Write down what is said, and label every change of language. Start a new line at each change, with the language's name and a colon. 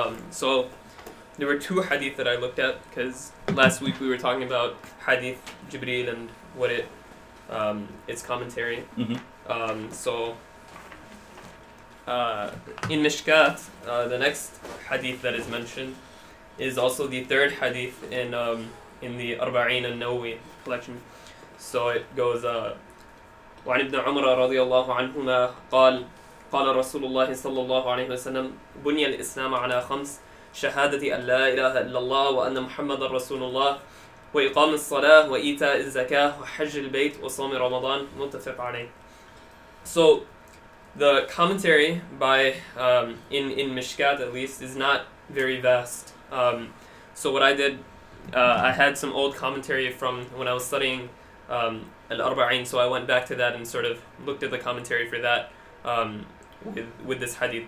English: So there were two hadith that I looked at, because last week we were talking about hadith Jibreel and what it, its commentary. Mm-hmm. In Mishkat, the next hadith that is mentioned is also the third hadith in the Arba'in al-Nawwi collection. So it goes,
Arabic: وعن ابن عمر رضي الله عنهما قال قال رسول الله صلى الله عليه وسلم بني الإسلام على خمس شهادة أن لا إله إلا الله وأن محمد رسول الله وإقام الصلاة وإيتاء الزكاة وحج البيت وصوم رمضان متفق عليه.
English: So the commentary by in Mishkat at least is not very vast. So what I did, I had some old commentary from when I was studying Al-Arba'in, so I went back to that and sort of looked at the commentary for that with this hadith.